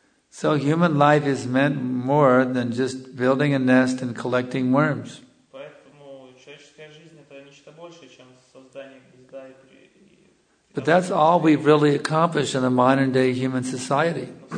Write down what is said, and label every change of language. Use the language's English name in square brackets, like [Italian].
[English] So human life is meant more than just building a nest and collecting worms. [Russian] Поэтому человеческая жизнь — это нечто большее, чем создание гнезда и [English] But that's all we've really accomplished in the modern day human society.